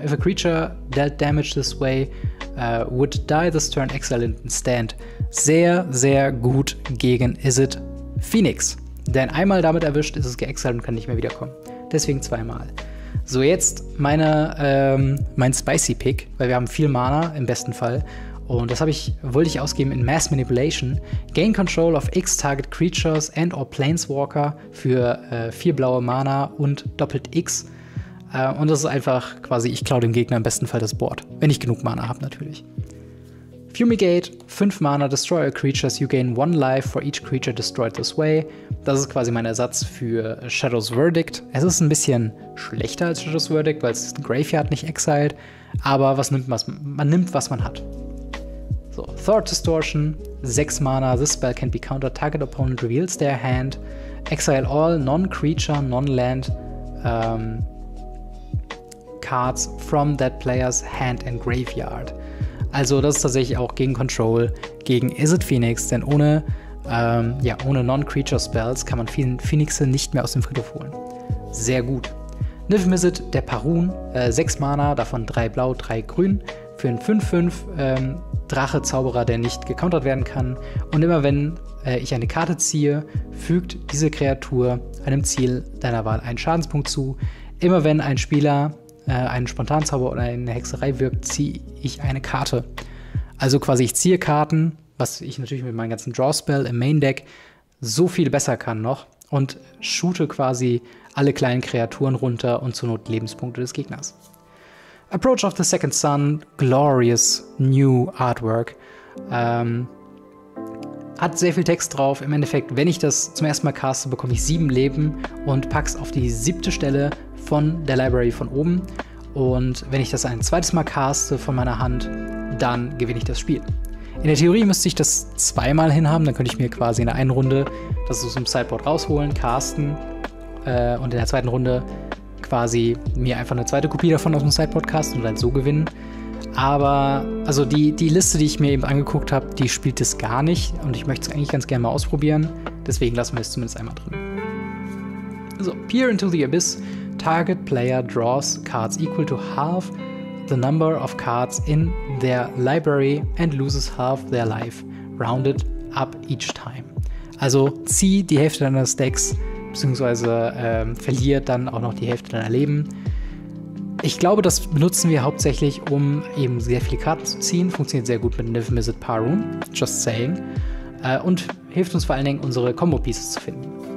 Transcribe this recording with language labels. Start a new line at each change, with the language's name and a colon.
English: If a creature dealt damage this way, would die this turn, exile in stand.
German: Sehr, sehr gut gegen Izzet Phoenix. Denn einmal damit erwischt, ist es geexiled und kann nicht mehr wiederkommen. Deswegen zweimal. So, jetzt mein Spicy Pick, weil wir haben viel Mana im besten Fall. Und das wollte ich ausgeben in Mass Manipulation.
English: Gain control of x target creatures and/or planeswalker
German: für 4 blaue Mana und doppelt x. Und das ist einfach quasi, ich klaue dem Gegner im besten Fall das Board, wenn ich genug Mana habe natürlich.
English: Fumigate, 5 Mana, destroy all creatures, you gain 1 life for each creature destroyed this way.
German: Das ist quasi mein Ersatz für Shadow's Verdict. Es ist ein bisschen schlechter als Shadow's Verdict, weil es Graveyard nicht exiled, aber man nimmt, was man hat.
English: So, Thought Distortion, 6 Mana, this spell can't be countered, target opponent reveals their hand. Exile all non-creature, non-land cards from that player's hand and graveyard.
German: Also das ist tatsächlich auch gegen Control, gegen Izzet Phoenix, denn ohne, ohne non-creature Spells kann man Phoenixe nicht mehr aus dem Friedhof holen. Sehr gut. Niv-Mizzet, der Parun, 6 Mana, davon 3 blau, 3 grün, für einen 5-5 Drache-Zauberer, der nicht gecountert werden kann. Und immer wenn ich eine Karte ziehe, fügt diese Kreatur einem Ziel deiner Wahl einen Schadenspunkt zu. Immer wenn ein Spieler einen Spontanzauber oder eine Hexerei wirkt, ziehe ich eine Karte. Also quasi, ich ziehe Karten, was ich natürlich mit meinem ganzen Draw-Spell im Main-Deck so viel besser kann noch, und shoote quasi alle kleinen Kreaturen runter und zur Not Lebenspunkte des Gegners.
English: Approach of the Second Sun, glorious new artwork.
German: Hat sehr viel Text drauf. Im Endeffekt, wenn ich das zum ersten Mal caste, bekomme ich 7 Leben und pack's auf die 7. Stelle von der Library von oben. Und wenn ich das ein zweites Mal caste von meiner Hand, dann gewinne ich das Spiel. In der Theorie müsste ich das zweimal hinhaben, dann könnte ich mir quasi in der einen Runde das aus dem Sideboard rausholen, casten und in der zweiten Runde quasi mir einfach eine zweite Kopie davon aus dem Sideboard casten und dann so gewinnen. Aber also die Liste, die ich mir eben angeguckt habe, die spielt es gar nicht und ich möchte es eigentlich ganz gerne mal ausprobieren, deswegen lassen wir es zumindest einmal drin.
English: So, Peer into the Abyss, Target Player draws cards equal to half the number of cards in their library and loses half their life, rounded up each time.
German: Also zieh die Hälfte deines Decks, beziehungsweise verliert dann auch noch die Hälfte deiner Leben. Ich glaube, das benutzen wir hauptsächlich, um eben sehr viele Karten zu ziehen. Funktioniert sehr gut mit Niv-Mizzet Parun,
English: just saying.
German: Und hilft uns vor allen Dingen, unsere Combo-Pieces zu finden.